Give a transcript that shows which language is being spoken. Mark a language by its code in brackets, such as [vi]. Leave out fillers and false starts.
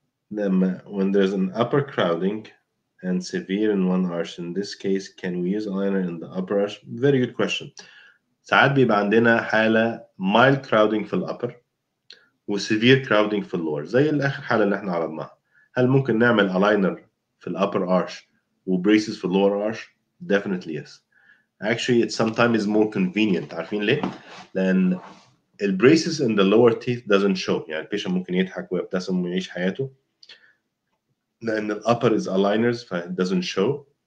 [en] When there's an upper crowding and severe in one arch, in this case, can we use aligner in the upper arch? Very good question. [ar] ساعات بيبقى عندنا حالة mild crowding في upper و severe crowding في lower, زي الاخر حالة اللي احنا عرضناها. هل ممكن نعمل aligner في upper arch و braces في lower arch? [en] Definitely yes. Actually, it sometimes is more convenient. [ar] عارفين ليه؟ لأن [en] braces in the lower teeth doesn't show. [ar] يعني patient ممكن يضحك ويبتسم ويعيش حياته, لأن [en] the upper is aligners, so it doesn't show.